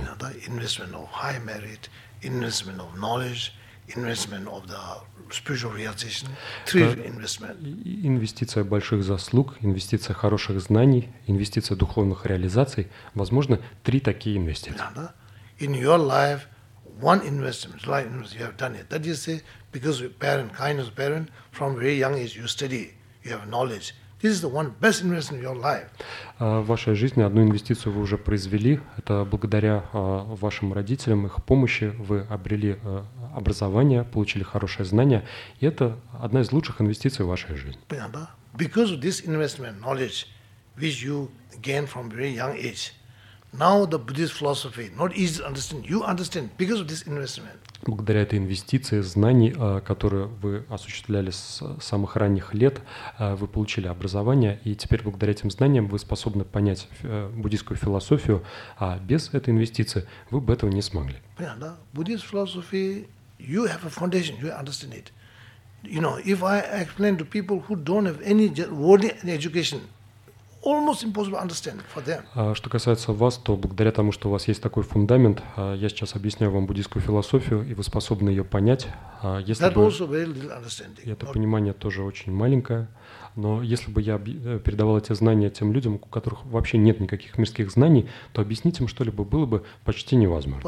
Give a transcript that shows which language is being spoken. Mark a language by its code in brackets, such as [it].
[en] Investment of high merit, investment of knowledge, investment of the spiritual realization, three investment. [ru] Инвестиция больших заслуг, инвестиция хороших знаний, инвестиция духовных реализаций, возможно, три такие инвестиции. [en] Yeah, [ru] да? [en] In your life, one investment, like you have done it. That is because your parent, kindness parent, from very young age you study, you have knowledge. This is the one best investment in your life. [ru] В вашей жизни одну инвестицию вы уже произвели. Это благодаря вашим родителям, их помощи вы обрели образование, получили хорошее знание. И это одна из лучших инвестиций в вашей жизни. Понятно, да? [en] Because of this investment knowledge, which you gain from very young age, now the Buddhist philosophy not easy to understand. You understand because of this investment. [ru] Благодаря этой инвестиции знаний, которые вы осуществляли с самых ранних лет, вы получили образование, и теперь благодаря этим знаниям вы способны понять буддийскую философию, а без этой инвестиции вы бы этого не смогли. Понятно, да? [en] Buddhist philosophy, you have a foundation, you understand it. You know, if I explain to people who don't have any worldly education, almost impossible to understand for them. [ru] Что касается вас, то благодаря тому, что у вас есть такой фундамент, я сейчас объясняю вам буддийскую философию, и вы способны ее понять. Это понимание тоже очень маленькое. Но если бы я передавал эти знания тем людям, у которых вообще нет никаких мирских знаний, то объяснить им что-либо было бы почти невозможно.